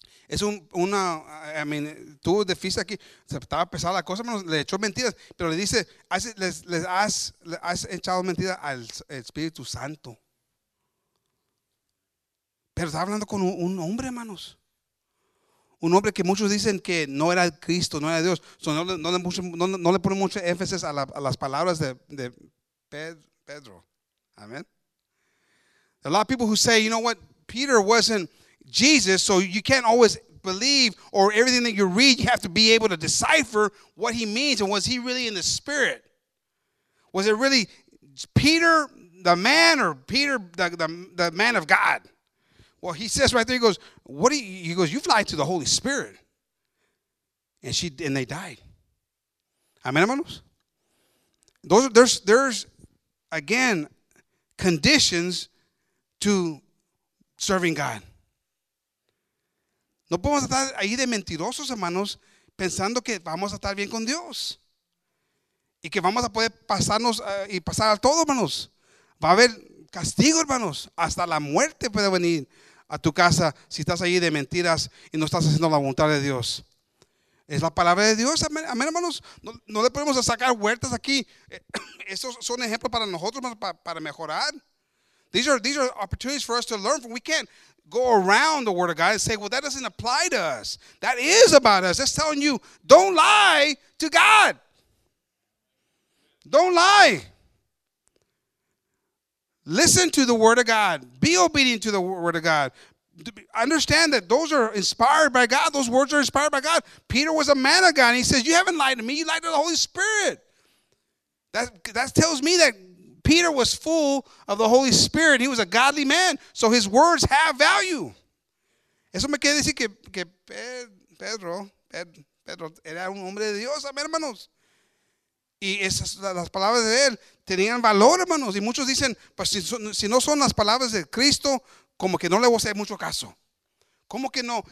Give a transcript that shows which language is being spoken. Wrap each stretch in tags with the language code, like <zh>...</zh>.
<es>Es una,</es> <en>I mean,</en> <es>tú de fiesta aquí, se estaba pesada la cosa, le echó mentiras, pero le dice, les has echado mentiras al Espíritu Santo. Pero está hablando con un hombre, hermanos. Un hombre que muchos dicen que no era Cristo, no era Dios. So no le ponen mucho énfasis a las palabras de Pedro.</es> <en>Amen. A lot of people who say, you know what, Peter wasn't Jesus, so you can't always believe, or everything that you read, you have to be able to decipher what he means, and was he really in the Spirit? Was it really Peter the man, or Peter the man of God? Well, he says right there, he goes, you've lied to the Holy Spirit. And they died. Amen, hermanos? There's again, conditions to serving God.</en> <es>No podemos estar ahí de mentirosos, hermanos, pensando que vamos a estar bien con Dios. Y que vamos a poder pasarnos y pasar a todo, hermanos. Va a haber castigo, hermanos. Hasta la muerte puede venir a tu casa si estás ahí de mentiras y no estás haciendo la voluntad de Dios. Es la palabra de Dios, amén, hermanos. No le podemos sacar huertas aquí. Estos son ejemplos para nosotros, hermanos, para mejorar.</es> <en>These are opportunities for us to learn from. We can't go around the word of God and say, "Well, that doesn't apply to us. That is about us." That's telling you, don't lie to God. Don't lie. Listen to the word of God. Be obedient to the word of God. Understand that those are inspired by God. Those words are inspired by God. Peter was a man of God. And he says, "You haven't lied to me. You lied to the Holy Spirit." That tells me that Peter was full of the Holy Spirit. He was a godly man, so his words have value.</en> <es>Eso me quiere decir que Pedro era un hombre de Dios, amén, hermanos. Y esas las palabras de él tenían valor, hermanos. Y muchos dicen, pues si no son las palabras de Cristo, como que no le voy a hacer mucho caso. ¿Cómo que no?</es>